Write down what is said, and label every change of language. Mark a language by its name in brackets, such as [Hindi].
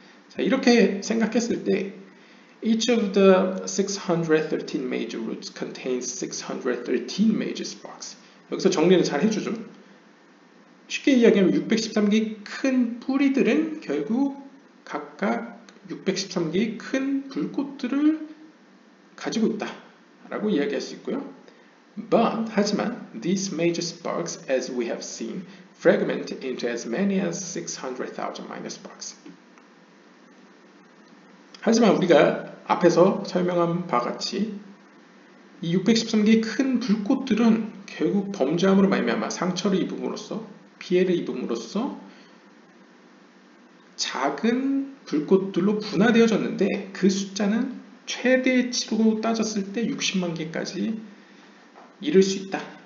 [Korean] 자, 이렇게 생각했을 때 [English] Each of the 613 major roots contains 613 major sparks. [Korean] 여기서 정리를 잘 해주죠. 쉽게 이야기하면 613개의 큰 뿌리들은 결국 각각 613개의 큰 불꽃들을 가지고 있다라고 이야기할 수 있고요. [English] But [Korean] 하지만 [English] these major sparks, as we have seen, fragment into as many as 600,000 minor sparks. [Korean] 하지만 우리가 앞에서 설명한 바 같이 이 613개의 큰 불꽃들은 결국 범죄함으로 말미암아 상처를 입음으로써 피해를 입음으로써 작은 불꽃들로 분화되어졌는데 그 숫자는 최대치로 따졌을 때 60만 개까지 이룰 수 있다.